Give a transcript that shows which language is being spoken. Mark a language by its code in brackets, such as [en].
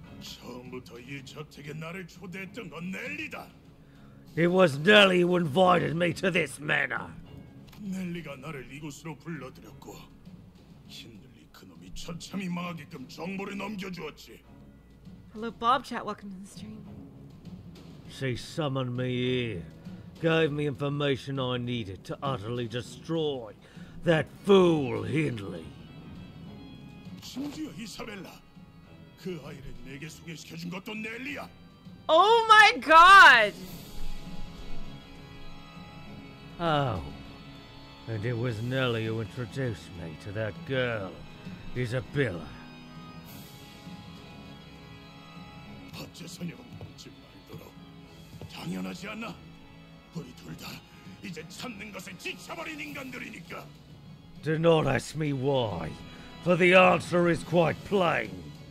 [ko] 처음부터 이 저택에 나를 초대했던 건 넬리다. [en] It was Nelly who invited me to this manor. [ko] Nelly가 나를 이곳으로 불러들였고 힘들리 그놈이 처참히 망하게끔 정보를 넘겨주었지. [en] Hello, Bobchat. Welcome to the stream. She summoned me here, gave me information I needed to utterly destroy that fool Hindley. [ko] 심지어 이사벨라, 그 아이를 내게 소개시켜준 것도 넬리야. [en] Oh my God! Oh, and it was Nelly who introduced me to that girl, Isabella. [ko] 어째서냐고 묻지 말도록. 당연하지 않나? 우리 둘 다 이제 찾는 것에 지쳐버린 인간들이니까. [en] Do not ask me why, for the answer is quite plain.